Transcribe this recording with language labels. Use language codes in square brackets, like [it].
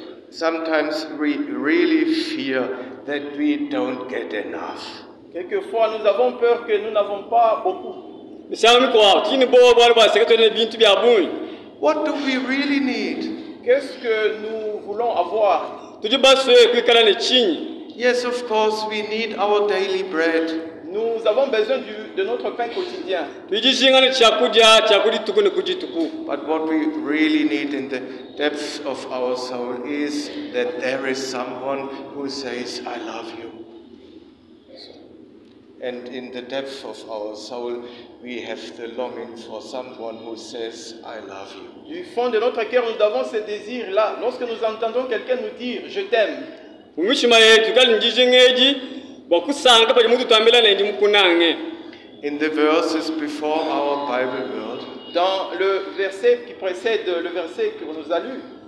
[en] Sometimes we really fear that we don't get enough. [fr] Quelquefois nous avons peur que nous n'avons pas beaucoup. [en] What do we really need? [fr] Qu'est-ce que nous voulons avoir? [en] Yes, of course, we need our daily bread. [fr] Nous avons besoin de notre pain quotidien. [en] But what we really need in the depths of our soul is that there is someone who says, I love you. And in the depth of our soul, we have the longing for someone who says, I love you. [fr] Du fond de notre cœur, nous avons ce désir-là. Lorsque nous entendons quelqu'un nous dire, je t'aime. [en] In the verses before our Bible world, [fr] dans le verset qui précède le verset que nous a lu,